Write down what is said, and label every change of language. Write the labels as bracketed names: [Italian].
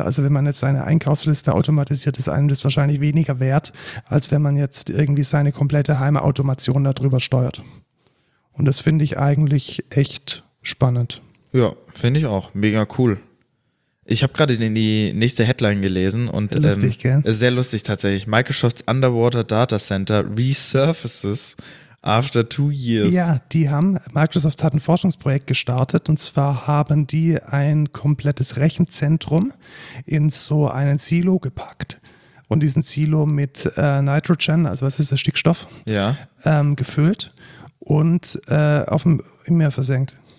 [German] Also wenn man jetzt seine Einkaufsliste automatisiert, ist einem das wahrscheinlich weniger wert, als wenn man jetzt irgendwie seine komplette Heimautomation darüber steuert. Und das finde ich eigentlich echt spannend. Ja, finde ich auch. Mega cool. Ich habe gerade die nächste Headline gelesen. Und lustig, gell? Sehr lustig tatsächlich. [English] Microsofts Underwater Data Center resurfaces after 2 years. [German] Ja, Microsoft hat ein Forschungsprojekt gestartet, und zwar haben die ein komplettes Rechenzentrum in so einen Silo gepackt und diesen Silo mit Nitrogen, also was ist das, Stickstoff, ja, gefüllt und im Meer versenkt.